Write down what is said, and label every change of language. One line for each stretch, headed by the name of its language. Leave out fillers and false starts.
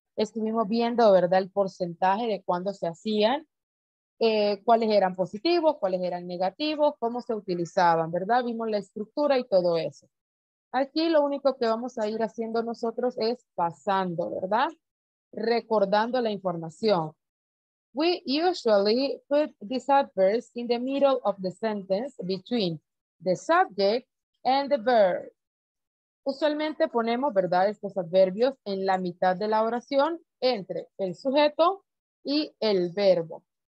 Spanish: Estuvimos viendo, ¿verdad?, el porcentaje de cuándo se hacían, cuáles eran positivos, cuáles eran negativos, cómo se utilizaban, ¿verdad? Vimos la estructura y todo eso. Aquí lo único que vamos a ir haciendo nosotros es pasando, ¿verdad?, recordando la información.
English: We usually put these adverbs in the middle of the sentence between the subject and the verb.
Spanish: Usualmente ponemos, ¿verdad?, estos adverbios en la mitad de la oración entre el sujeto y el verbo.